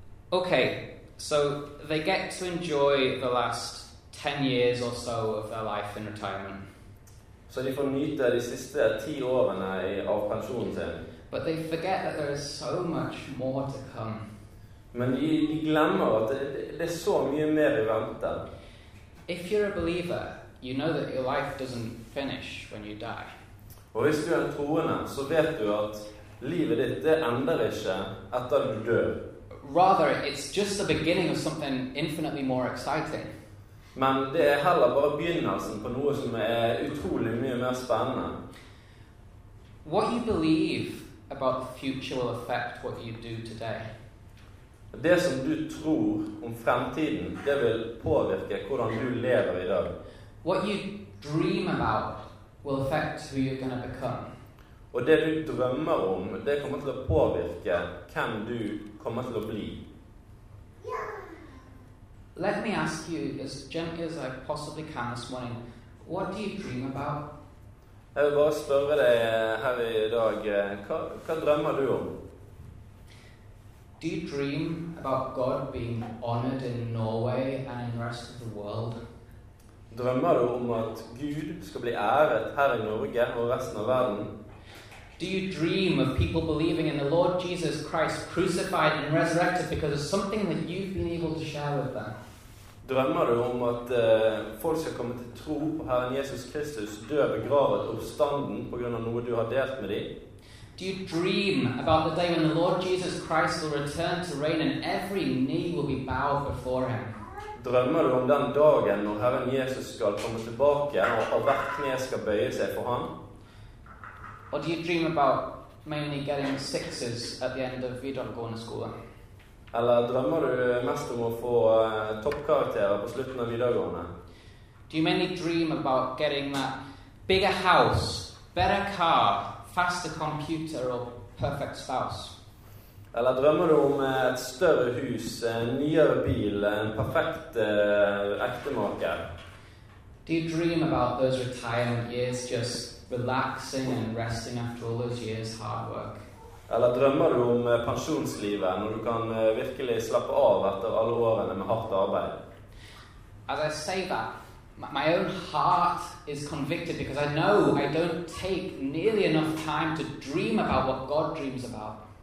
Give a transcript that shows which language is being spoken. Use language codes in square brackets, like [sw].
[en] Okay, so they get to enjoy the last 10 years or so of their life in retirement. [no] Så de får nyte de siste 10 årene av pensjonen sin. [en] But they forget that there is so much more to come. [no] Men de glemmer at det så mye mer i vente. [en] If you're a believer, you know that your life doesn't finish when you die. [no] Og hvis du troende, så vet du at livet ditt, det ender ikke etter du dør. [en] Rather, it's just the beginning of something infinitely more exciting. [no] Men det heller bare begynnelsen på noe som utrolig mye mer spennende. [en] What you believe about the future will affect what you do today. [no] Det som du tror om fremtiden, det vil påvirke hvordan du lever i dag. [en] What you dream about will affect who you're going to become. [no] Og det du drømmer om, det kommer til å påvirke hvem du kommer til å bli. [en] Let me ask you as gently as I possibly can this morning, what do you dream about? [no] Jeg vil bare spørre deg her i dag, hva drømmer du om? [en] Do you dream about God being honored in Norway and in the rest of the world? [no] Drømmer du om at Gud skal bli æret her i Norge og resten av verden? [en] Do you dream of people believing in the Lord Jesus Christ crucified and resurrected because of something that you've been able to share with them? [no] Drømmer du om at folk skal komme til tro på Herren Jesus Kristus, dø, begravet og oppstanden på grunn av noe du har delt med dem? [en] Do you dream about the day when the Lord Jesus Christ will return to reign and every knee will be bowed before him? [no] Drømmer du om den dagen når Herren Jesus skal komme tilbake og hvert kne skal bøye seg for ham? [en] Or do you dream about mainly getting sixes at the end of videregående skole? [no] Eller drømmer du mest om å få toppkarakterer på slutten av videregående? [en] Do you mainly dream about getting that bigger house, better car, faster computer or perfect spouse? [no] Eller drømmer du om et større hus, en nyere bil, en perfekt ektemake? [en] Do you dream about those retirement years just relaxing and resting after all those years hard work? [no] Eller drømmer du om pensjonslivet når du kan virkelig slappe av etter alle årene med hardt arbeid? [en] As I say that, my own heart is convicted because I know I don't take nearly enough time to dream about what God dreams about.